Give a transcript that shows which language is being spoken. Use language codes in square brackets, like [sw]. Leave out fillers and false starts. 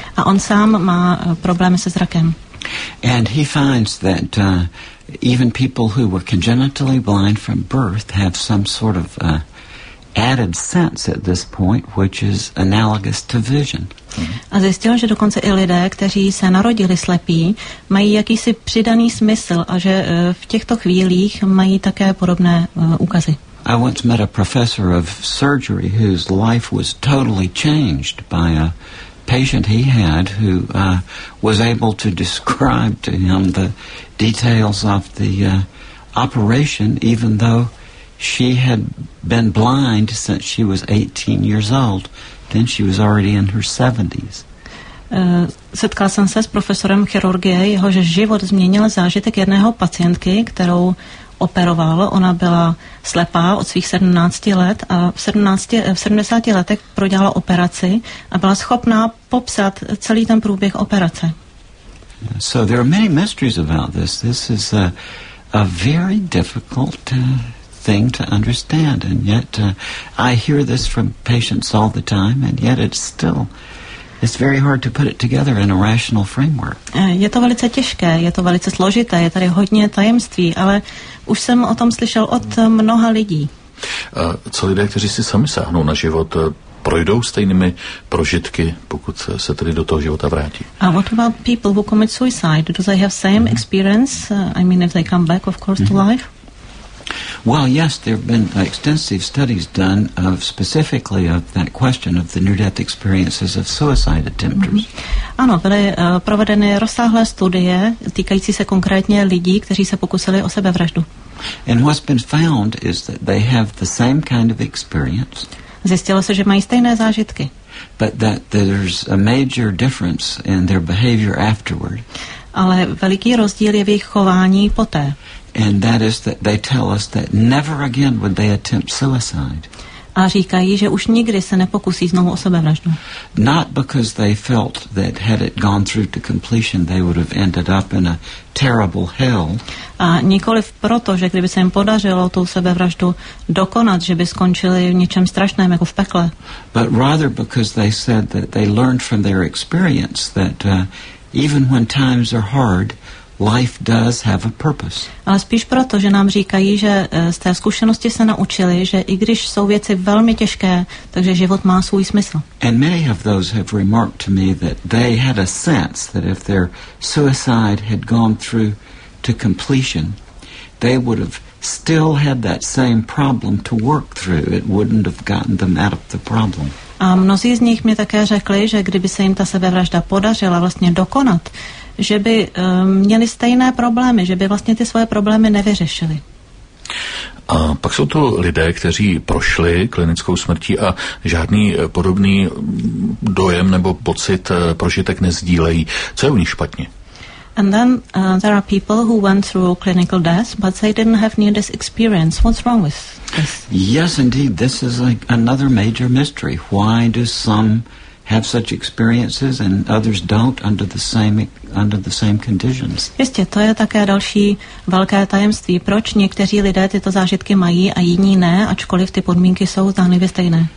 [cs] A on sám má problémy se zrakem. [en] And he finds that even people who were congenitally blind from birth have some sort of added sense at this point, which is analogous to vision. [cs] A zjistil, že dokonce i lidé, kteří se narodili slepí, mají jakýsi přidaný smysl a že v těchto chvílích mají také podobné úkazy. [en] I once met a professor of surgery whose life was totally changed by a patient he had who was able to describe to him the details of the operation, even though she had been blind since she was 18 years old. Then she was already in her 70s. [cs] Setkal jsem se s profesorem chirurgie, jehož život změnil zážitek jedného pacientky, kterou operoval. Ona byla slepá od svých 17 let a v 70 letech prodělala operaci a byla schopná popsat celý ten průběh operace. [en] So there are many mysteries about this. This is a very difficult thing to understand, and yet I hear this from patients all the time, and yet it's very hard to put it together in a rational framework. [cs] Je to velice těžké, je to velice složité, je tady hodně tajemství, ale už jsem o tom slyšel od mnoha lidí. Co lidé, kteří si sami sáhnou na život, projdou stejnými prožitky, pokud se tedy do toho života vrátí? [en] What about people who commit suicide? Do they have same experience? I mean, if they come back, of course, to life? Well, yes, there have been extensive studies done of specifically of that question of the near-death experiences of suicide attempters. Mm-hmm. [cs] Ano, byly provedeny rozsáhlé studie týkající se konkrétně lidí, kteří se pokusili o sebevraždu. [en] And what's been found is that they have the same kind of experience. [cs] Zjistilo se, že mají stejné zážitky. [en] But that there's a major difference in their behavior afterward. [cs] Ale veliký rozdíl je v jejich chování poté. [en] And that is that they tell us that never again would they attempt suicide. [cs] A říkají, že už nikdy se nepokusí znovu o sebevraždu. [en] Not because they felt that had it gone through to completion, they would have ended up in a terrible hell. [cs] A nikoliv proto, že kdyby se jim podařilo tu sebevraždu dokonat, že by skončili v něčem strašném, jako v pekle. [en] But rather because they said that they learned from their experience that even when times are hard, life does have a purpose. [cs] Ale spíš proto, že nám říkají, že z té zkušenosti se naučili, že i když jsou věci velmi těžké, takže život má svůj smysl. [en] And many of those have remarked to me that they had a sense that if their suicide had gone through to completion, they would have still had that same problem to work through. It wouldn't have gotten them out of the problem. [cs] A mnozí z nich mi také řekli, že kdyby se jim ta sebevražda podařila vlastně dokonat, že by měli stejné problémy, že by vlastně ty svoje problémy nevyřešili. A pak jsou to lidé, kteří prošli klinickou smrtí a žádný podobný dojem nebo pocit prožitek nezdílejí. Co je u nich špatně? [en] And then there are people who went through clinical death, but they didn't have near this experience. What's wrong with this? Yes, indeed. This is like another major mystery. Why do some have such experiences and others don't under the same conditions? [cs] Jistě, to je také další velké tajemství. Proč někteří lidé tyto zážitky mají a jiní ne, ačkoliv ty podmínky jsou zdánlivě stejné?